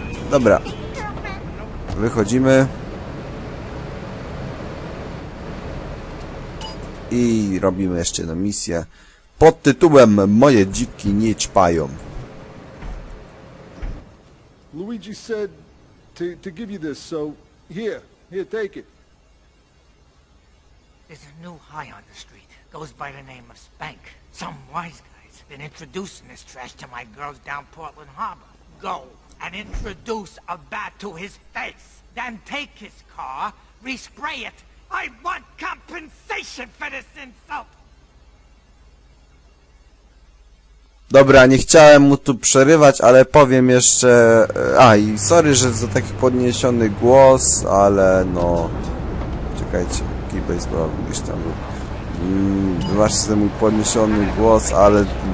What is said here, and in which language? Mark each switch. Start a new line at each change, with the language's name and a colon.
Polish: Dobra, wychodzimy i robimy jeszcze jedną misję pod tytułem Moje dziki nie ćpają.
English: Luigi said to give you this, so here take it. There's a new high on the street, goes by the name of Spank. Some wise guy been introducing this trash to my girls down Portland Harbor. Go and introduce a bat to his face. Then take his car, respray it. I want compensation for this insult.
Polish: Dobra, nie chciałem mu tu przerywać, ale powiem jeszcze... i sorry, że za taki podniesiony głos, ale no... Czekajcie, Keybase, bo gdzieś tam był. Wybacz sobie mój podniesiony głos, ale...